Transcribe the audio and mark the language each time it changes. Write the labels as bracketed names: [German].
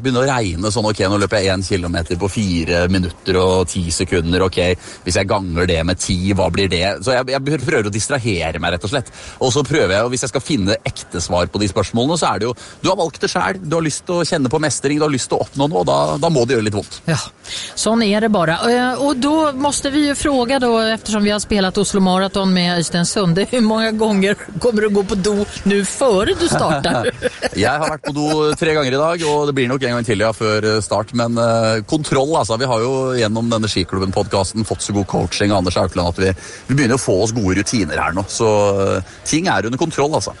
[Norwegian] Begynne å regne sånn, ok, nå løper jeg 1 kilometer på 4 minutter og 10 sekunder, ok, hvis jeg ganger det med 10, hva blir det? Så jeg prøver å distrahere meg, rett og slett. Og så prøver jeg, og hvis jeg skal finne ekte svar på de spørsmålene, så det jo, du har valgt det selv, du har lyst til å kjenne på mestring, du har lyst til å oppnå noe, og da må det gjøre litt vondt. Ja, sånn det bare. [Swedish] Og da måste vi jo fråga da, eftersom vi har spelat Oslo Marathon med Øystein Sunde, hur många gånger kommer du gå på do nu före du startar? [Norwegian] Jeg har vært på do 3 ganger I dag, og det blir nok en gang til, ja, før start, men kontroll, altså, vi har jo gjennom denne Skiklubben-podcasten fått så god coaching av Anders Aukland, at vi begynner å få oss gode rutiner her nå, så ting under kontroll, altså.